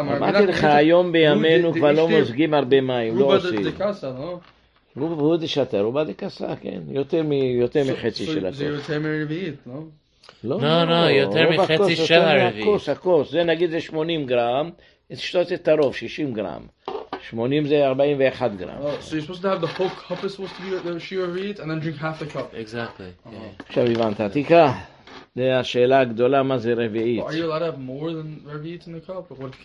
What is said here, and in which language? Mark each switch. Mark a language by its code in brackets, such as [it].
[he] אמרתי לך, היום בימינו כבר לא מוזגים הרבה מים, לא עושים. רובה דקסה, לא? רובה דקסה, רובה דקסה, כן. יותר מחצי של הכוס. זה יותר מרביעית, לא? לא, לא, לא, יותר מחצי של הרביעית. הכוס, זה נגיד זה 80 גרם, שתות את הרוב, 60 גרם. 80 זה 41 גרם. [en] So you're supposed to have the whole cup is supposed to be the sheer rביעית and then drink half the cup. Exactly. [he] עכשיו הבנת, תקרא. זה השאלה הגדולה, מה זה רביעית. [en] Are you allowed to have more than רביעית in the cup?